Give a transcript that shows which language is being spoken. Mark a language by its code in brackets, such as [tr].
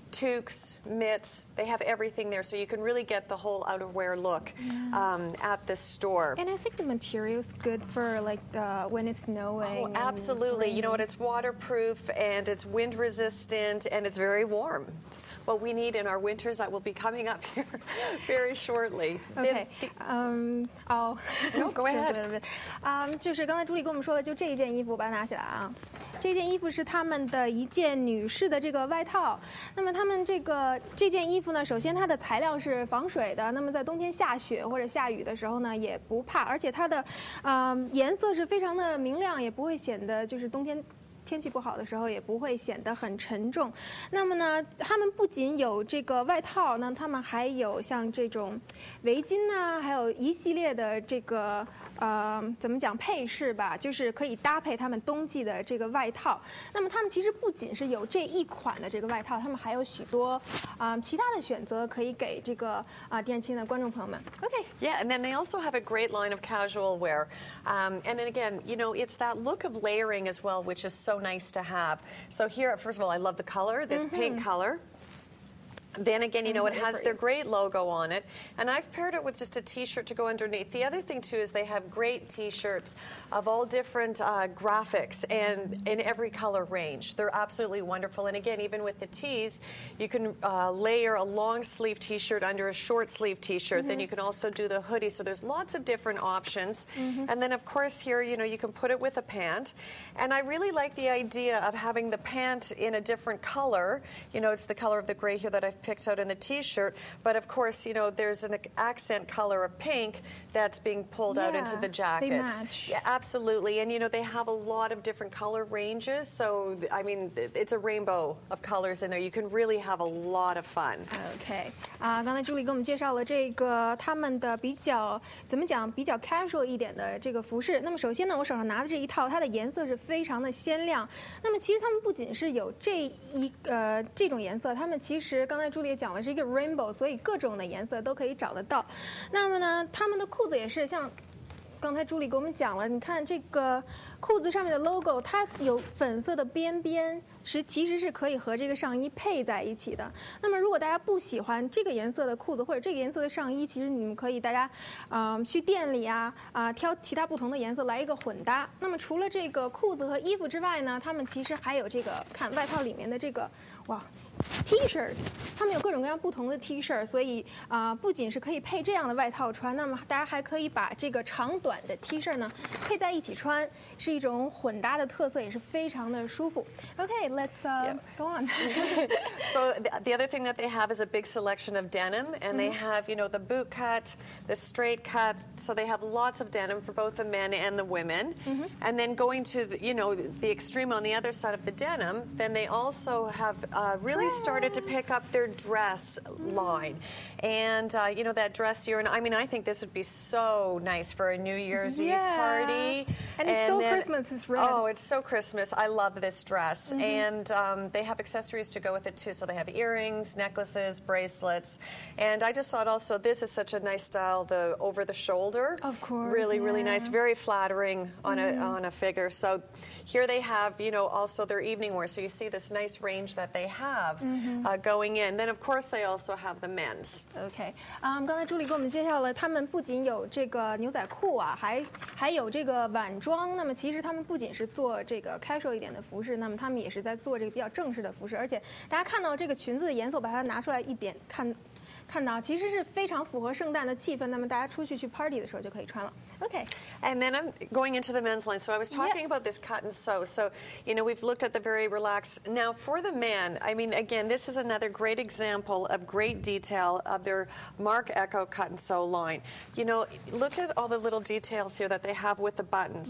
[en] Toques, mitts, they have everything there, so you can really get the whole outerwear look at the store. And I think the material's good for, like, when it's snowing. Oh, absolutely. You know what? It's waterproof, and it's wind-resistant, and it's very warm. It's what we need in our winters that will be coming up here very shortly. Okay. Oh. No, go ahead. [zh] 就是刚才朱莉跟我们说的，就这一件衣服，把它拿起来啊。这件衣服是他们的一件女士的这个外套。那么他们这件衣服呢，首先它的材料是防水的，那么在冬天下雪或者下雨的时候呢也不怕，而且它的颜色是非常的明亮，也不会显得就是冬天天气不好的时候也不会显得很沉重。那么呢，他们不仅有这个外套，那他们还有像这种围巾呢，还有一系列的这个怎么讲配饰吧，就是可以搭配他们冬季的这个外套。那么他们其实不仅是有这一款的这个外套，他们还有许多其他的选择可以给这个电视机的观众朋友们。 [en] Okay. Yeah, and then they also have a great line of casual wear. And then again, you know, it's that look of layering as well, which is so nice to have. So here, first of all, I love the color, this pink color. Then again, you know, it has their great logo on it. And I've paired it with just a t-shirt to go underneath. The other thing, too, is they have great t-shirts of all different graphics and in every color range. They're absolutely wonderful. And again, even with the tees, you can layer a long sleeve t-shirt under a short sleeve t-shirt. Mm-hmm. Then you can also do the hoodie. So there's lots of different options. Mm-hmm. And then, of course, here, you know, you can put it with a pant. And I really like the idea of having the pant in a different color. You know, it's the color of the gray here that I've picked out in the T-shirt. But of course, you know, there's an accent color of pink that's being pulled out into the jacket. They match. Yeah, absolutely. And, you know, they have a lot of different color ranges. So, I mean, it's a rainbow of colors in there. You can really have a lot of fun. Okay. [zh] 刚才朱莉给我们介绍了这个他们的比较怎么讲比较 casual 一点的这个服饰。那么首先呢，我手上拿的这一套，它的颜色是非常的鲜亮。那么其实他们不仅是有这种颜色，他们其实刚才朱莉也讲了是一个 rainbow， 所以各种的颜色都可以找得到。那么呢，他们的裤子也是像刚才朱莉给我们讲了，你看这个裤子上面的 logo， 它有粉色的边，其实是可以和这个上衣配在一起的。那么如果大家不喜欢这个颜色的裤子或者这个颜色的上衣，其实你们可以大家去店里挑其他不同的颜色来一个混搭。那么除了这个裤子和衣服之外呢，他们其实还有这个看外套里面的这个T-shirt， 他们有各种各样不同的 T-shirt， 所以不仅是可以配这样的外套穿，那么大家还可以把这个长短的 T-shirt 呢配在一起穿，是一种混搭的特色，也是非常的舒服。 [en] Okay, let's go on. So the other thing that they have is a big selection of denim, and they have, you know, the boot cut, the straight cut. So they have lots of denim for both the men and the women. And then going to the extreme on the other side of the denim, then they also have really started to pick up their dress line. And, you know, that dress you're in, I mean, I think this would be so nice for a New Year's Eve party. And it's so Christmas. Oh, it's so Christmas. I love this dress. And they have accessories to go with it, too. So they have earrings, necklaces, bracelets. And I just thought also, this is such a nice style, the over-the-shoulder. Of course. Really, really nice. Very flattering on a figure. So here they have, you know, also their evening wear. So you see this nice range that they have going in. Then, of course, they also have the men's. Okay. [zh] 刚才朱莉给我们介绍了他们不仅有这个牛仔裤啊，还有这个晚装。那么其实他们不仅是做这个 casual 一点的服饰，那么他们也是在做这个比较正式的服饰。而且大家看到这个裙子的颜色，把它拿出来一点看到其实是非常符合圣诞的气氛，那么大家出去 party 的时候就可以穿了。 [en] OK. And then I'm going into the men's line. So I was talking about this cut and sew. So, you know, we've looked at the very relaxed. Now, for the man, I mean, again, this is another great example of great detail of their Marc Ecko cut and sew line. You know, look at all the little details here that they have with the buttons.